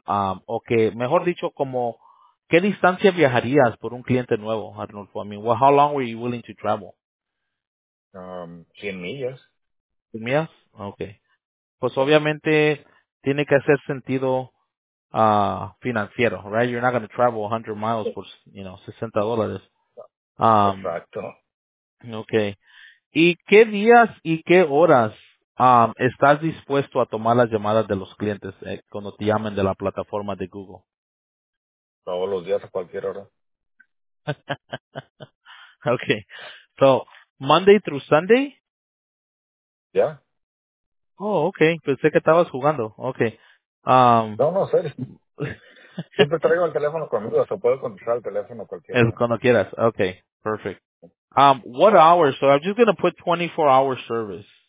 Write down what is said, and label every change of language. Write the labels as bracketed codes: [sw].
[es] O que, mejor dicho, como, ¿qué distancia viajarías por un cliente nuevo, Arnulfo? [en] I mean, well, how long were you willing to travel? [es] 100 millas. 100 millas? Okay. Pues obviamente tiene que hacer sentido financiero, [en] right? You're not going to travel 100 miles for, you know, $60. [es] Exacto. [en] Okay. [es] ¿Y qué días y qué horas estás dispuesto a tomar las llamadas de los clientes cuando te llamen de la plataforma de Google? Todos los días a cualquier hora. [en] Okay. So, Monday through Sunday? Yeah. [es] Oh, okay. Pensé que estabas jugando. Okay. No, serio. Siempre traigo el teléfono conmigo, o puedo contestar el teléfono cualquiera. Cuando quieras. [en] Okay. Perfect. What hours? So I'm just going to put 24-hour service.